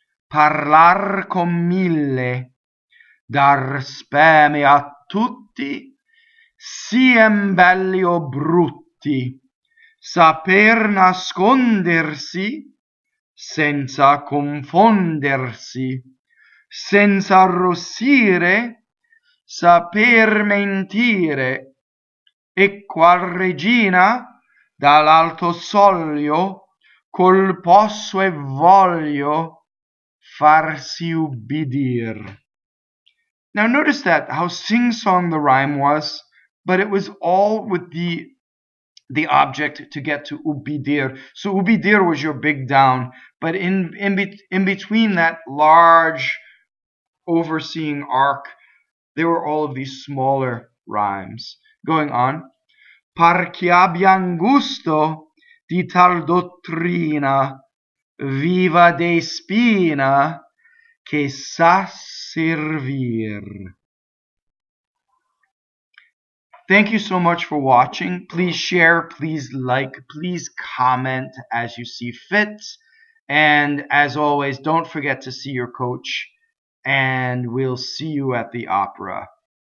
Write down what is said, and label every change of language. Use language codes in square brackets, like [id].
[it] Parlar con mille, dar speme a tutti, siem belli o brutti, saper nascondersi, senza confondersi, senza arrossire, saper mentire, e qual regina, dall'alto soglio, col posso e voglio, farsi ubbidir. [en] Now notice that, how sing-song the rhyme was, but it was all with the object to get to ubbidir. So ubbidir was your big down, but in between that large overseeing arc, there were all of these smaller rhymes. Going on. [it] Perché abbian gusto di tal dottrina, Viva Despina, che sa servir. [en] Thank you so much for watching. Please share, please like, please comment as you see fit. And as always, don't forget to see your coach. And we'll see you at the opera.